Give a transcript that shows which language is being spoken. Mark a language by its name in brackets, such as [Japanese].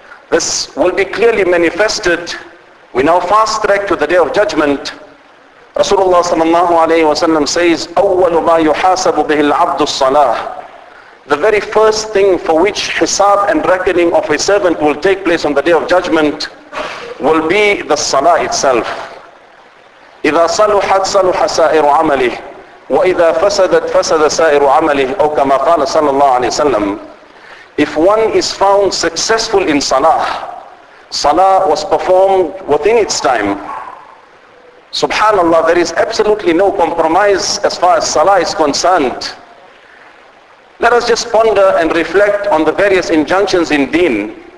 [English] This will be clearly manifested. We now fast track to the Day of Judgment. Rasulullah sallallahu alayhi wa sallam says, [Arabic] أَوَّلُ مَا يُحَاسَبُ بِهِ الْعَبْدُ الصَّلَاةِ. [English] The very first thing for which hisab and reckoning of a servant will take place on the Day of Judgment will be the salah itself. [Arabic] إِذَا صَلُحَتْ صَلُحَ سَائِرُ عَمَلِهِ وَإِذَا فَسَدَتْ فَسَدَ سَائِرُ عَمَلِهِ أو كما قال صلى الله عليه وسلم. [English] If one is found successful in salah, salah was performed within its time. Subhanallah, there is absolutely no compromise as far as salah is concerned. Let us just ponder and reflect on the various injunctions in deen.